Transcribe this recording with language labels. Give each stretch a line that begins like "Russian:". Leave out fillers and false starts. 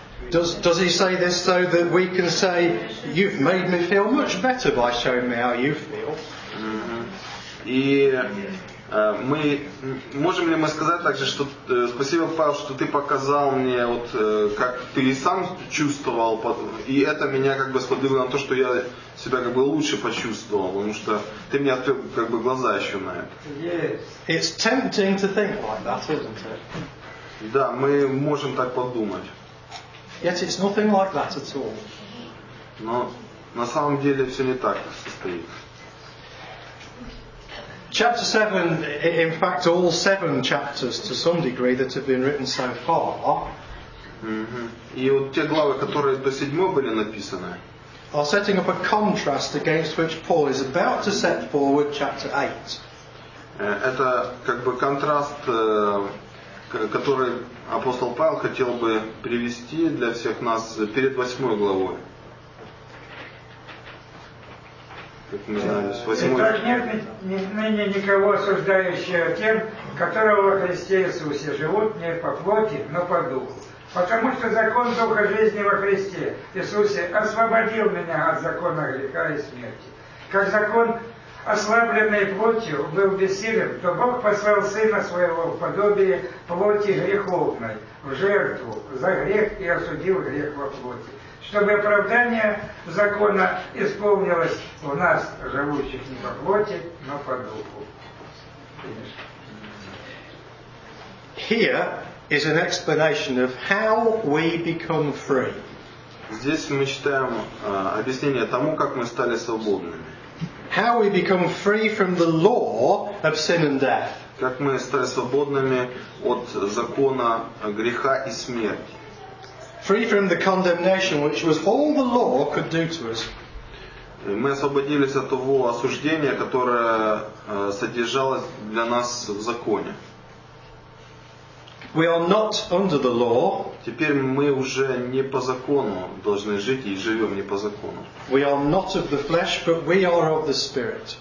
English: Does he say this so that we can say, you've made me feel much better by showing me how you feel?
Russian: И мы можем ли мы сказать также, что спасибо, Павел, что ты показал мне вот как ты сам чувствовал, и это меня как бы сподвигло на то, что я себя как бы лучше почувствовал, потому что ты мне открыл как бы глаза еще на это.
English: It's tempting to think like that, isn't it?
Russian: Да, мы можем так подумать.
English: Yet it's nothing like that at all.
Russian: Но на самом деле все не так состоит.
English: Chapter 7, in fact, all seven chapters to some degree that have been written so far.
Russian: И вот те главы, которые до седьмой были написаны,
English: are setting up a contrast against which Paul is about to set forward chapter 8.
Russian: Это как бы контраст, который апостол Павел хотел бы привести для всех нас перед восьмой главой. Как мы знаем, с восьмой. Итак, нет ныне никого осуждающего тем, которого во Христе Иисусе живут не по плоти, но по духу. Потому что закон духа жизни во Христе Иисусе освободил меня от закона греха и смерти. Как закон, ослабленный плотью, был бессилен, то Бог послал Сына Своего в подобие плоти греховной, в жертву, за грех и осудил грех во плоти, чтобы оправдание закона исполнилось в нас, живущих не по плоти, но по духу.
English: Here is an explanation of how we become free.
Russian: Здесь мы читаем объяснение тому, как мы стали свободными.
English: How we become free from the law of sin and death.
Russian: Как мы стали свободными от закона греха и смерти.
English: Free from the condemnation, which was all the law could do to us.
Russian: Мы освободились от того осуждения, которое содержалось для нас в законе.
English: We are not under the law.
Russian: Теперь мы уже не по закону должны жить и живем не по закону.
English: We are not of the flesh, but we are of the spirit.